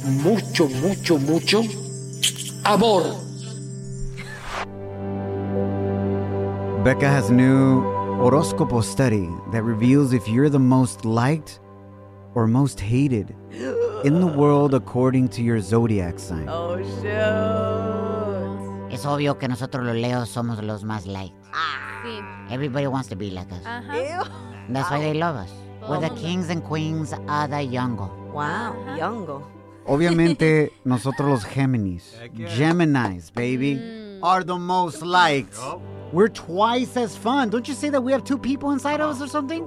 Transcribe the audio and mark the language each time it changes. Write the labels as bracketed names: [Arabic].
[Spanish] Mucho, mucho, mucho amor. [English] Becca has a new horoscopo study that reveals if you're the most liked or most hated in the world according to your zodiac sign. Oh, shit. [Spanish] Es obvio que nosotros los Leos somos los más liked. Sí. [English] Everybody wants to be like us. Uh-huh. That's why they love us. We're the kings and queens of the jungle. Wow, jungle. [Spanish] Obviamente, nosotros los Géminis, Geminis, baby, [English] are the most liked. Yep. We're twice as fun. Don't you say that we have two people inside us or something?